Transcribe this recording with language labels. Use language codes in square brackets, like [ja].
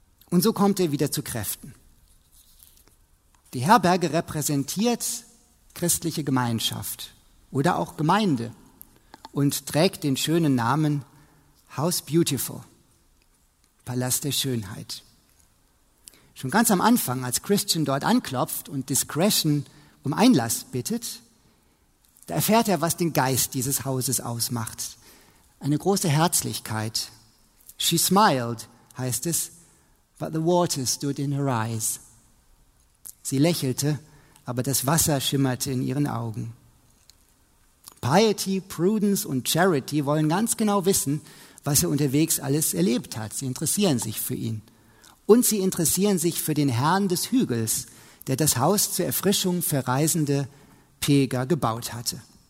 [de] Und so kommt er wieder zu Kräften. Die Herberge repräsentiert christliche Gemeinschaft oder auch Gemeinde und trägt den schönen Namen House Beautiful, Palast der Schönheit. Schon ganz am Anfang, als Christian dort anklopft und Discretion um Einlass bittet, da erfährt er, was den Geist dieses Hauses ausmacht. Eine große Herzlichkeit. [en] She smiled, [de] heißt es, [en] but the water stood in her eyes. [de] Sie lächelte, aber das Wasser schimmerte in ihren Augen. Piety, Prudence und Charity wollen ganz genau wissen, was er unterwegs alles erlebt hat. Sie interessieren sich für ihn. Und sie interessieren sich für den Herrn des Hügels, der das Haus zur Erfrischung für Reisende Pilger gebaut hatte.